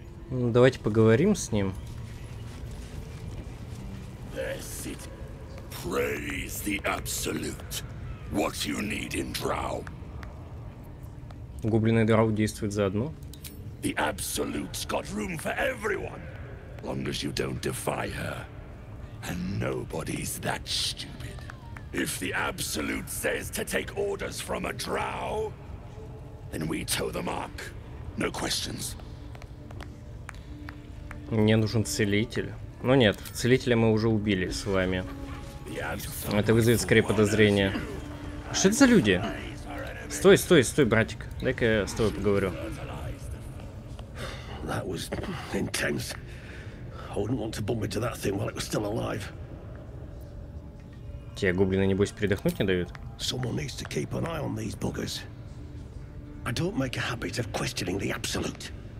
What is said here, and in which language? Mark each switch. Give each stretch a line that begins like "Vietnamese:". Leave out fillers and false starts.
Russian: Ну, давайте поговорим с ним.
English: Praise the absolute. What you need in Drow?
Russian: Гоблины Drow действуют заодно.
English: The absolute's got room for everyone, long as you don't defy her. And nobody's that stupid. If the absolute says to take orders from a Drow, then we toe the mark. No questions.
Russian: Мне нужен целитель. Ну нет, целителя мы уже убили с вами. Это вызовет скорее подозрение. Что это за люди? Стой, стой, стой, братик. Дай-ка я с тобой поговорю.
English: That was intense. I wouldn't want to bump into that thing while it was still alive.
Russian: Тебе гоблины, небось, передохнуть не дают?
English: Someone needs to keep an eye on these buggers. I don't make a habit of questioning the absolute.